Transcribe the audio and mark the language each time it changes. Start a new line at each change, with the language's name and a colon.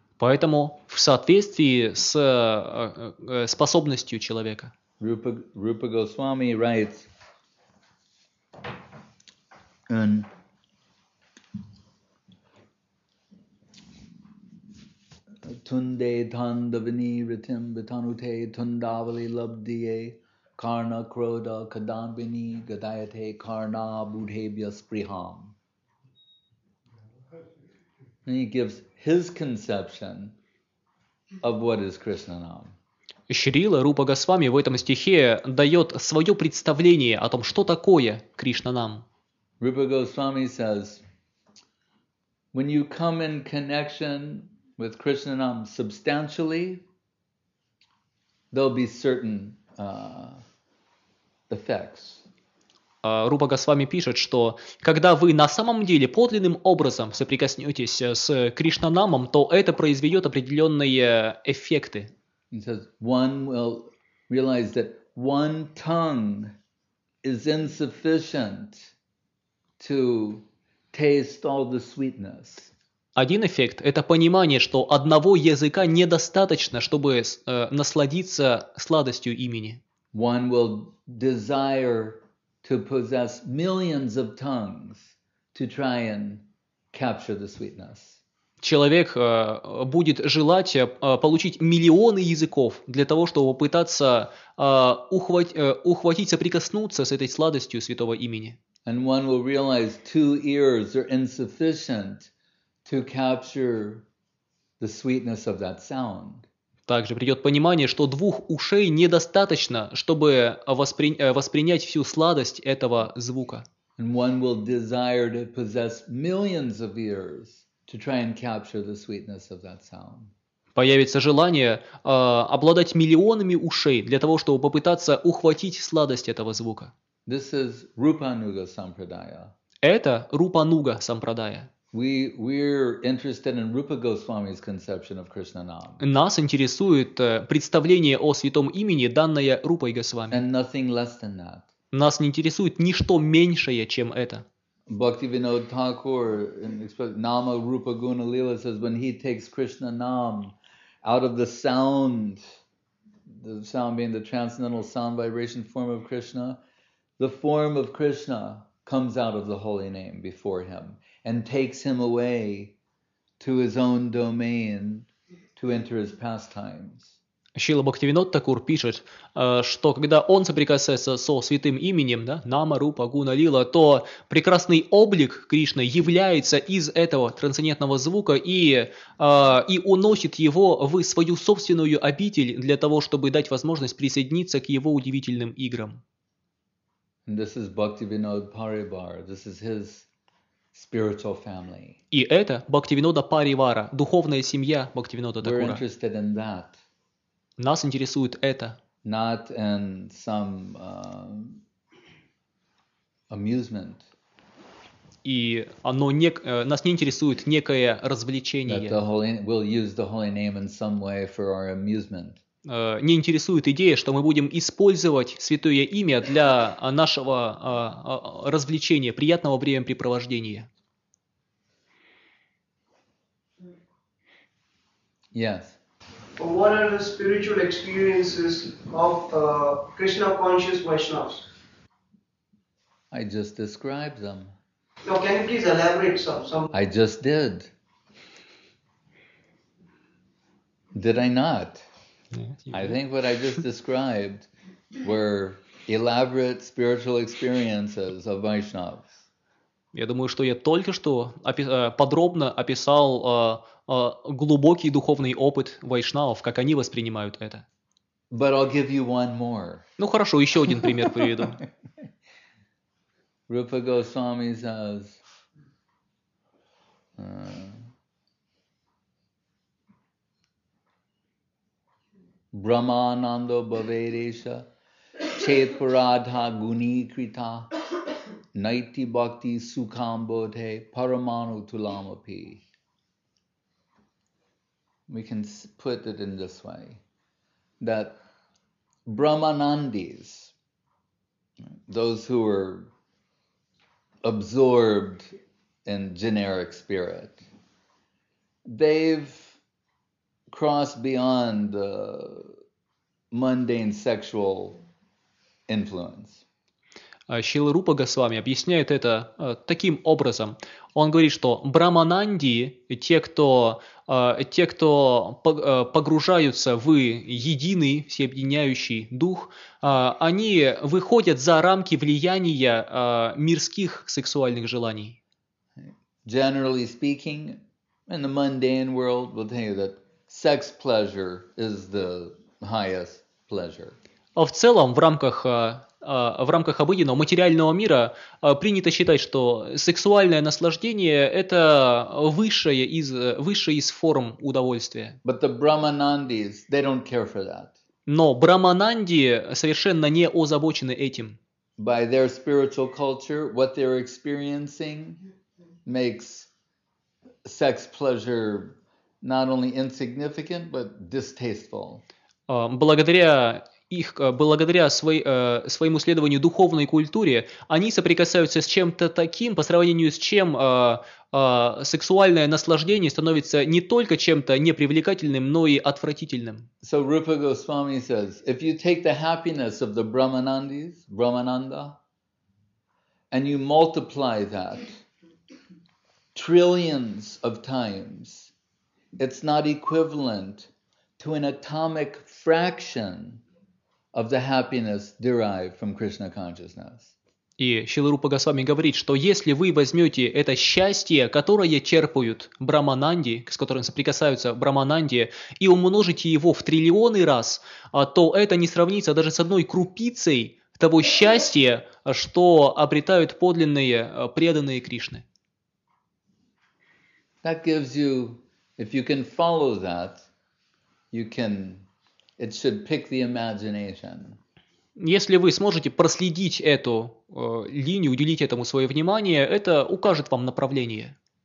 Russian: Поэтому в соответствии с способностью человека.
English: Rupa Goswami writes in
Sanskrit: Tunde Tandavini Ritim Bitanute Tundavali Labdiye Karna Kroda Kadambini Gadayate Karna Budhebya Spriham.
English: And he gives his conception of what is Krishna Nam.
Russian: Шрила Рупа Госвами в этом стихе дает свое представление о том, что такое Кришна Нам.
English: Рупа Госвами says, when you come in connection with Krishna Nam substantially, there'll be certain effects.
Russian: Рупа Госвами пишет, что когда вы на самом деле подлинным образом соприкоснетесь с Кришнанамом, то это произведет определенные эффекты.
English: He says, one will realize that one tongue is insufficient to taste all the sweetness.
Russian: Один эффект – это понимание, что одного языка недостаточно, чтобы насладиться сладостью имени.
English: One will desire to possess millions of tongues to try and capture the sweetness.
Russian: человек будет желать получить миллионы языков для того, чтобы пытаться ухватить, соприкоснуться с этой сладостью святого имени.
English: And one will realize two ears are insufficient to capture the sweetness of that sound.
Russian: Также придет понимание, что двух ушей недостаточно, чтобы воспринять всю сладость этого звука.
English: And one will desire to possess millions of ears to try and capture the sweetness of that sound.
Russian: Появится желание обладать миллионами ушей для того, чтобы попытаться ухватить сладость этого звука.
English: This is Rupanuga Sampradaya.
Russian: Это Рупануга Сампрадая.
English: We're interested in Rupa Goswami's conception of Krishna Nam.
Russian: Нас интересует представление о святом имени, данное Рупой Госвами.
English: And nothing less than that.
Russian: Нас не интересует ничто меньшее, чем это.
English: Bhaktivinoda Thakur in Nama Rupa Guna Lila says when he takes Krishna Nam out of the sound being the transcendental sound vibration form of Krishna, the form of Krishna comes out of the holy name before him and takes him away to his own domain to enter his pastimes.
Russian: Шрила Бхактивинод Такур пишет, что когда он соприкасается со святым именем, да, Нама, Рупа, Гуна, Лила, то прекрасный облик Кришны является из этого трансцендентного звука и уносит его в свою собственную обитель для того, чтобы дать возможность присоединиться к его удивительным играм.
English: And this is Bhaktivinoda Parivara. This is his spiritual family.
Russian: И это Бхактивинода Паривара, духовная семья Бхактивинода Такура.
English: We're interested in that.
Russian: Нас интересует это.
English: Not in some amusement.
Russian: И оно не, нас не интересует некое развлечение.
English: That the holy, we'll use the holy name in some way for our amusement.
Russian: Не интересует идея, что мы будем использовать святое имя для нашего развлечения, приятного времяпрепровождения.
English: Yes. What are the spiritual experiences of Krishna conscious Vaishnavas? I just described them. No, can you please elaborate some? I just did. Did I not? I think what I just described were elaborate spiritual experiences of Vaishnavas.
Russian: Я думаю, что я только что подробно описал глубокий духовный опыт вайшнавов, как они воспринимают это.
English: But I'll give you one more.
Russian: Ну хорошо, еще один пример приведу.
English: Rupa Goswami says...
Sanskrit: Brahmananda bhavedesha chetparadha guni krita naiti bhakti sukhambodhe paramanu tulamapi.
English: We can put it in this way, that Brahmanandis, those who are absorbed in generic spirit, they've crossed beyond the mundane sexual influence.
Russian: Шрила Рупа Госвами объясняет это таким образом. Он говорит, что брамананди, те, кто погружаются в единый всеобъединяющий дух, они выходят за рамки влияния мирских сексуальных желаний.
English: Generally speaking, in the mundane world, we'll tell you that sex pleasure is the highest pleasure.
Russian: А в целом, в рамках обыденного материального мира принято считать, что сексуальное наслаждение – это высшая из форм удовольствия.
English: But the Brahmanandis, they don't care for that.
Russian: Но брамананди совершенно не озабочены этим.
English: By their spiritual culture, what they're experiencing makes sex pleasure not only insignificant, but distasteful.
Russian: Благодаря своему следованию духовной культуре, они соприкасаются с чем-то таким, по сравнению с чем сексуальное наслаждение становится не только чем-то непривлекательным, но и отвратительным.
English: So Rupa Goswami says, if you take the happiness of the Brahmanandis, Brahmananda, and you multiply that trillions of times, it's not equivalent to an atomic fraction of the happiness derived from Krishna consciousness.
Russian: И Шрила Рупа Госвами говорит, что если вы возьмете это счастье, которое черпают Брамананди, с которым соприкасаются Брамананди, и умножите его в триллионы раз, то это не сравнится даже с одной крупицей того счастья, что обретают подлинные преданные Кришны.
English: That gives you, if you can follow that, you can, it should pick the imagination.
Russian: Если вы сможете проследить эту линию, уделить этому свое внимание, это укажет вам направление.